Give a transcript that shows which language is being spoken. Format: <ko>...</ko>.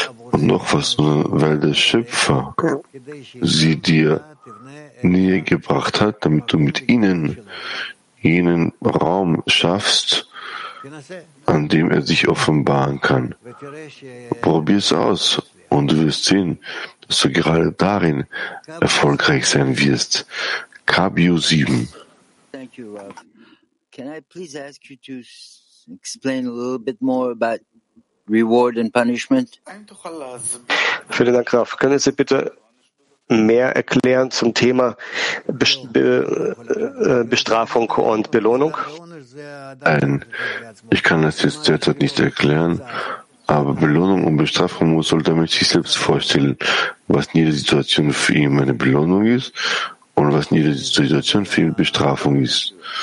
<de>Und noch was, weil der Schöpfer sie dir näher gebracht hat, damit du mit ihnen jenen Raum schaffst, an dem er sich offenbaren kann. Probier es aus und du wirst sehen, dass du gerade darin erfolgreich sein wirst. Kabio 7.</de> <en>Thank you, Rob. Can I please ask you to explain a little bit more about reward and punishment?</en> <de>Vielen Dank, Rav. Können Sie bitte mehr erklären zum Thema Bestrafung und Belohnung? Nein, ich kann das jetzt derzeit nicht erklären, aber Belohnung und Bestrafung muss soll damit sich selbst vorstellen, was in jeder Situation für ihn eine Belohnung ist und was in jeder Situation für ihn Bestrafung ist.</de>